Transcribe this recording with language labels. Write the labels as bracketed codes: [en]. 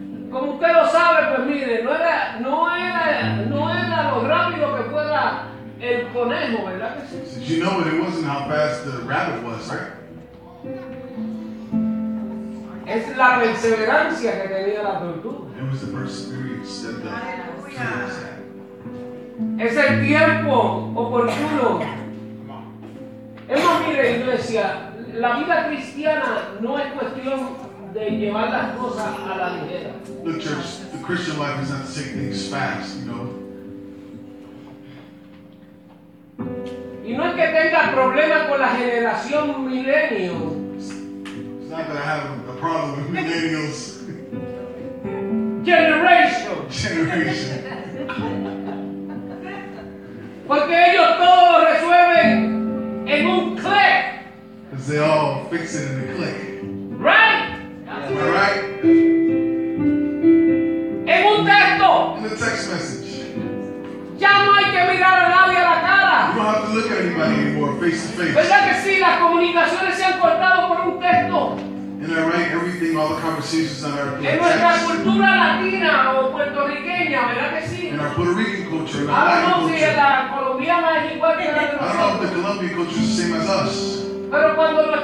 [es] Como usted lo sabe, pues mire, no era lo rápido que pueda el conejo, ¿verdad que sí? [en] Did you know it? It wasn't how fast the rabbit was, right? [es] Es la perseverancia que tenía la tortuga. [en] It was the perseverance that the turtles had. [es] Es el tiempo oportuno. Hemos mire, iglesia, la vida cristiana no es cuestión de llevar las cosas a la ligera. [en] Look, church, the Christian life is not to take things fast, you know. [es] Y no es que tenga problema con la generación milenio. [en] It's not that I have a problem with millennials. Generation. [es] Porque ellos todo resuelven en un click. [en] Because they all fix it in a click. Right? Am I right? [es] En un texto. [en] In a text message. [es] Ya no hay que mirar a nadie a la cara. [en] You don't have to look at anybody anymore, face to face. And I write everything, all the conversations that are in our Puerto Rican culture, in our Latin culture. I don't know if the Colombian culture is the same as us.